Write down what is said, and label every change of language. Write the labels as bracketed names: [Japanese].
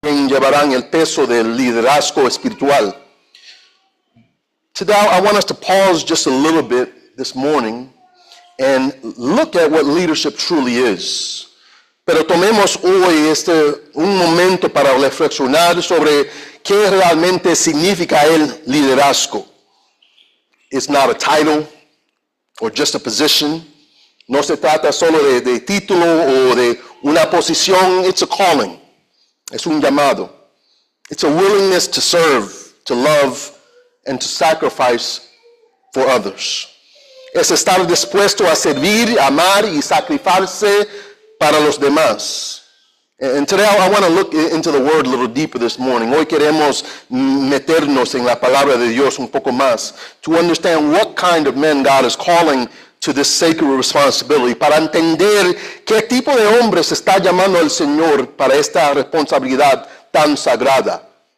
[Spanish] conllevarán el peso del liderazgo espiritual. [English] Today I want us to pause just a little bit this morning and look at what leadership truly is. [Spanish] Pero tomemos hoy un momento para reflexionar sobre qué realmente significa el liderazgo. [English] It's not a title or just a position. [Spanish] No se trata solo de título o de una posición. [English] It's a calling. [Spanish] Es un llamado. [English] It's a willingness to serve, to love, and to sacrifice for others. [Spanish] Es estar dispuesto a servir, amar y sacrificarse para los demás. [English] And today I want to look into the word a little deeper this morning. [Spanish] Hoy queremos meternos en la palabra de Dios un poco más [English] to understand what kind of men God is calling to this sacred responsibility, [Spanish] para entender qué tipo de hombres está llamando el Señor para esta responsabilidad tan sagrada.